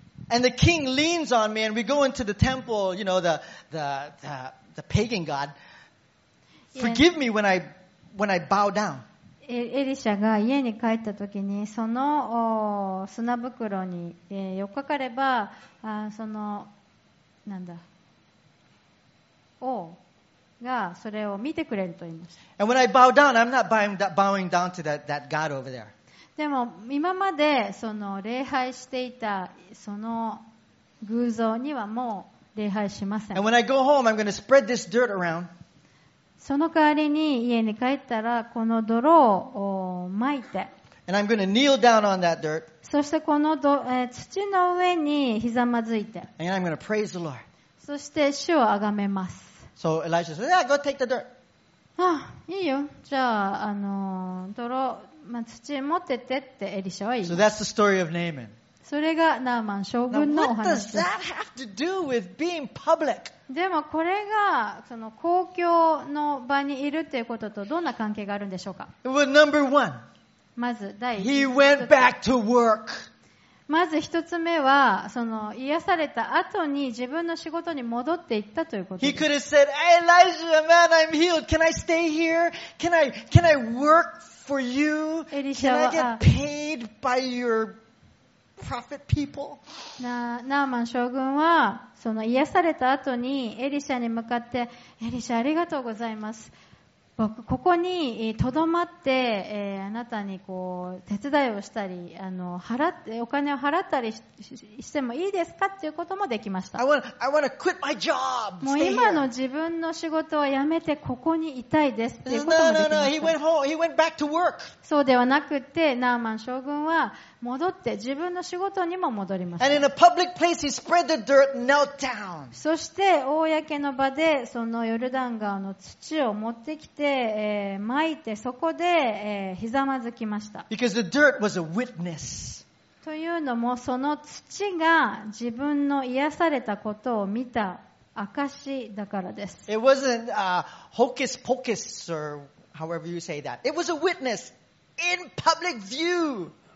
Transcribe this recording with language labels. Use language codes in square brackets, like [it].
[en] And the king leans on me, and we go into the temple. You know, the pagan god. Forgive me when I bow down. [ja] エリシャが家に帰った時に、その砂袋に寄っかかれば、そのなんだ王がそれを見てくれると言いました。 [en] And when I bow down, I'm not bowing down to that god over there. [ja] でも今までその礼拝していたその偶像にはもう礼拝しません。 [en] And when I go home, I'm going to spread this dirt around. [ja] その代わりに家に帰ったらこの泥を撒いて。 [en] And I'm going to kneel down on that dirt. [ja] そしてこの土の上にひざまずいて。 [en] And I'm going to praise the Lord. [ja] そして主をあがめます。 [en] So Elijah says, "Yeah, go take the dirt." [ja] あ、いいよ。じゃあ泥まあ、土持っててってエリシャは言います。 [en] So that's the story of Naaman. [ja] それがナーマン将軍のお話です。 [en] Now, what does that have to do with being public? [ja] でもこれがその公共の場にいるということとどんな関係があるんでしょうか。 [en] Well, number one. [ja] まず第一。 [en] He went back to work. [ja] まず一つ目はその癒された後に自分の仕事に戻っていったということです。 [en] He could have said, "Hey, Elijah, man, I'm healed. Can I stay here? Can I work?" For you, can I get paid by your prophet people? [ja] ナーマン将軍はその癒された後にエリシャに向かって、エリシャありがとうございます。僕ここにとどまって、あなたにこう手伝いをしたり、払ってお金を払ったり してもいいですかっていうこともできました。 [en] I wanna quit my job. [ja] もう今の自分の仕事を辞めてここにいたいですっていうこともできました。 [en] No. He went home. He went back to work. [ja] そうではなくて、ナーマン将軍は戻って自分の仕事にも戻りました。 [en] And in a public place, he spread the dirt, knelt down. [ja] そして公の場でそのヨルダン川の土を持ってきて。で、巻いてそこで、ひざまずきました。 [en] Because the dirt was a witness. [ja] というのもその土が自分の癒されたことを見た証だからです。 [en] It wasn't hocus pocus or however you say that. It was a witness in public view.